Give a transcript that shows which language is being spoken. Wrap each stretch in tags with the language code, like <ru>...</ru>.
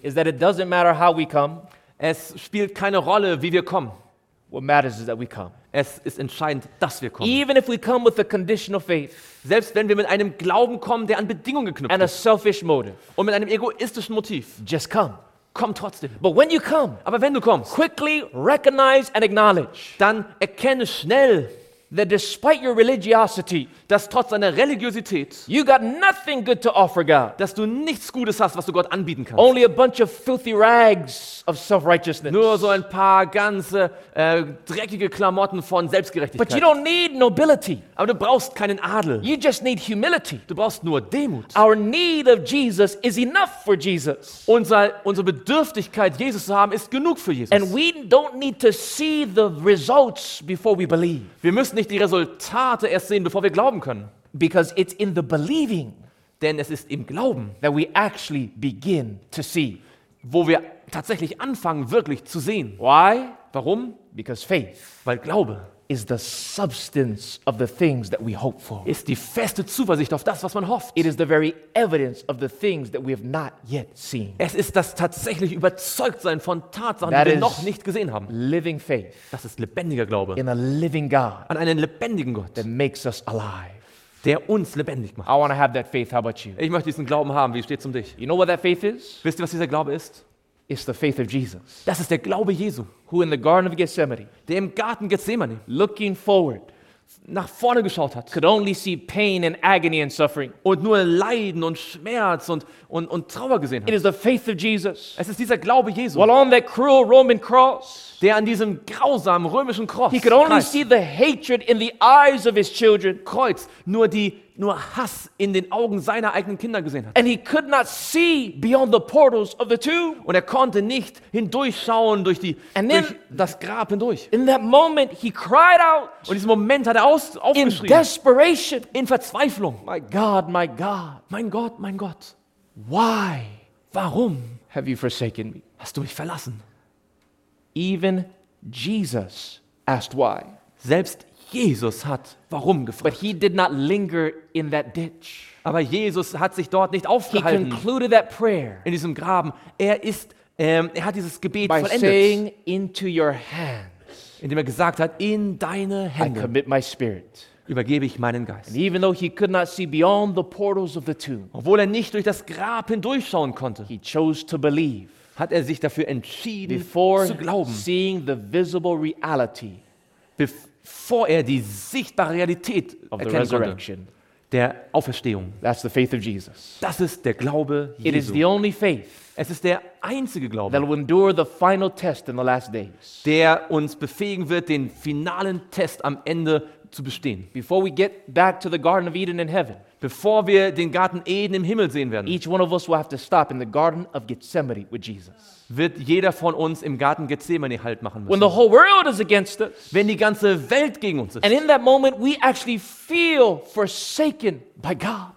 <en>Is that it doesn't matter how we come.</en> <de>Es spielt keine Rolle, wie wir kommen.</de> <en>What matters is that we come.</en> <de>Es ist entscheidend, dass wir kommen.</de> <en>Even if we come with a conditional faith,</en> <de>selbst wenn wir mit einem Glauben kommen, der an Bedingungen geknüpft</de> <en>and and a selfish motive,</en> <de>und mit einem egoistischen Motiv,</de> <en>just come.</en> <de>Komm trotzdem.</de> <en>But when you come,</en> <de>aber wenn du kommst,</de> <en>quickly recognize and acknowledge,</en> <de>dann erkenne schnell,</de> <en>that despite your religiosity,</en> <de>dass trotz deiner Religiosität,</de> <en>you got nothing good to offer God,</en> <de>dass du nichts Gutes hast, was du Gott anbieten kannst.</de> <en>Only a bunch of filthy rags of self-righteousness.</en> <de>Nur so ein paar ganze dreckige Klamotten von Selbstgerechtigkeit.</de> <en>But you don't need nobility.</en> <de>Aber du brauchst keinen Adel.</de> <en>You just need humility.</en> <de>Du brauchst nur Demut.</de> <en>Our need of Jesus is enough for Jesus.</en> <de>Unsere Bedürftigkeit, Jesus zu haben, ist genug für Jesus.</de> <en>And we don't need to see the results before we believe.</en> <de>Wir müssen nicht die Resultate erst sehen, bevor wir glauben können.</de> <en>Because it's in the believing,</en> <de>denn es ist im Glauben,</de> <en>that we actually begin to see,</en> <de>wo wir tatsächlich anfangen, wirklich zu sehen.</de> <en>Why?</en> <de>Warum?</de> <en>Because faith,</en> <de>weil Glaube,</de> <en>is the substance of the things that we hope for,</en> <de>ist die feste Zuversicht auf das, was man hofft.</de> <en>It is the very evidence of the things that we have not yet seen.</en> <de>Es ist das tatsächlich Überzeugtsein von Tatsachen, die wir noch nicht gesehen haben.</de> <en>Living faith,</en> <de>das ist lebendiger Glaube,</de> <en>in a living God,</en> <de>an einen lebendigen Gott,</de> <en>that makes us alive,</en> <de>der uns lebendig macht.</de> <en>I want to have that faith. How about you?</en> <de>Ich möchte diesen Glauben haben. Wie steht's um dich?</de> <en>You know what that faith is?</en> <de>Wisst ihr, was dieser Glaube ist?</de> <en>It's the faith of Jesus.</en> <de>Das ist der Glaube Jesu,</de> <en>who in the Garden of Gethsemane,</en> <de>der im Garten Gethsemane,</de> <en>looking forward,</en> <de>nach vorne geschaut hat,</de> <en>could only see pain and agony and suffering,</en> <de>und nur Leiden und Schmerz und Trauer gesehen hat.</de> <en>It is the faith of Jesus.</en> <de>Es ist dieser Glaube Jesu.</de> <en>While on that cruel Roman cross,</en> <de>der an diesem grausamen römischen Kreuz,</de> <en>he could only see the hatred in the eyes of his children,</en> <de>Kreuz, nur Hass in den Augen seiner eigenen Kinder gesehen hat.</de> <en>And he could not see beyond the portals of the tomb.</en> <de>Und er konnte nicht hindurchschauen durch das Grab hindurch.</de> <en>In that moment he cried out.</en> <de>Und in diesem Moment hat er aufgeschrien.</de> <en>In desperation,</en> <de>in Verzweiflung.</de> <en>My God, my God.</en> <de>Mein Gott, mein Gott.</de> <en>Why?</en> <de>Warum?</de> <en>Have you forsaken me?</en> <de>Hast du mich verlassen?</de> <en>Even Jesus asked why.</en> <de>Selbst Jesus hat warum gefragt.</de> <en>But he did not linger in that ditch.</en> <de>Aber Jesus hat sich dort nicht aufgehalten.</de> <en>He concluded that prayer</en> <de>in diesem Graben. Er hat dieses Gebet</de> <en>by</en> <de>vollendet.</de> <en>Saying into your hands,</en> <de>indem er gesagt hat, in deine Hände.</de> <en>I commit my spirit.</en> <de>Übergebe ich meinen Geist.</de> <en>And even though he could not see beyond the portals of the tomb,</en> <de>obwohl er nicht durch das Grab hindurchschauen konnte,</de> <en>he chose to believe,</en> <de>hat er sich dafür entschieden</de> <en>before</en> <de>zu glauben.</de> <en>Seeing the visible reality,</en> <de>bevor er die sichtbare Realität erkennen konnte, der Auferstehung.</de> <en>That's the faith of Jesus.</en> <de>Das ist der Glaube Jesu.</de> <en>It is the only faith.</en> <de>Es ist der einzige Glaube,</de> <en>that will endure the final test in the last days.</en> <de>Der uns befähigen wird, den finalen Test am Ende zu bestehen.</de> <en>Before we get back to the Garden of Eden in heaven,</en> <de>bevor wir den Garten Eden im Himmel sehen werden,</de> <en>each one of us will have to stop in the Garden of Gethsemane with Jesus.</en> <de>Wird jeder von uns im Garten Gethsemane Halt machen müssen.</de> <en>When the whole world is against us,</en> <de>wenn die ganze Welt gegen uns ist.</de> <en>And in that moment we actually feel forsaken by God.</en>